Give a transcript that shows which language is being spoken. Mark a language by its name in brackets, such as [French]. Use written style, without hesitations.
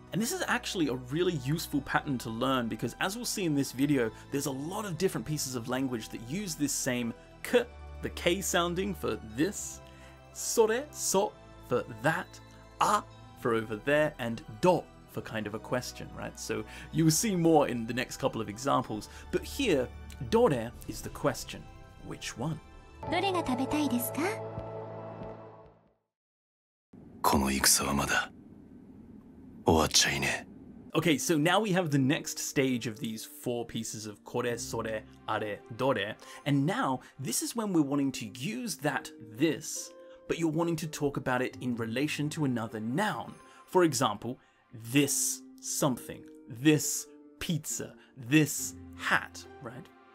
[English] And this is actually a really useful pattern to learn because as we'll see in this video, there's a lot of different pieces of language that use this same k, the K sounding for this, sore, so for that, a for over there, and do for kind of a question, right? So you will see more in the next couple of examples. But here, dore is the question. Which one? [Japanese] どれが食べたいですか? この戦はまだ終わっちゃいねえ. [English] Okay, so now we have the next stage of these four pieces of kore, sore, are, dore, and now this is when we're wanting to use that this, but you're wanting to talk about it in relation to another noun. For example, this something, this pizza, this hat, right?